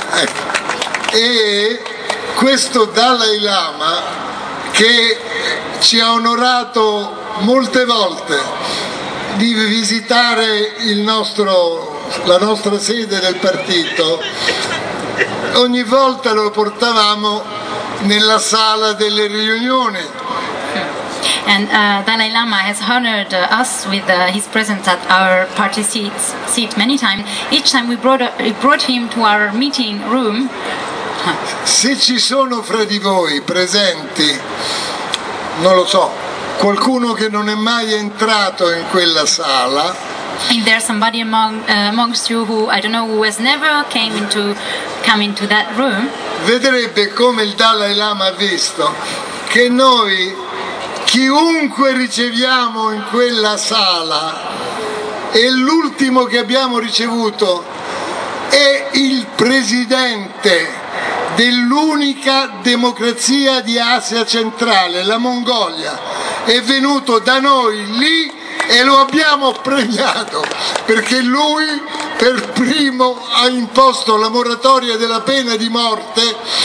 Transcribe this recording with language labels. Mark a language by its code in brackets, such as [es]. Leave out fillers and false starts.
[it] Ecco. E questo Dalai Lama, che ci ha onorato molte volte di visitare la nostra sede del partito, ogni volta lo portavamo nella sala delle riunioni. [en] And Dalai Lama has honored us with his presence at our party seat many times. Each time we brought him to our meeting room. [it] Se ci sono fra di voi presenti, non lo so, qualcuno che non è mai entrato in quella sala. [en] If there's somebody amongst you who, I don't know, who has never come into that room. [it] Vedrebbe come il Dalai Lama ha visto che noi, chiunque riceviamo in quella sala, e l'ultimo che abbiamo ricevuto è il presidente dell'unica democrazia di Asia centrale, la Mongolia, è venuto da noi lì e lo abbiamo premiato perché lui per primo ha imposto la moratoria della pena di morte.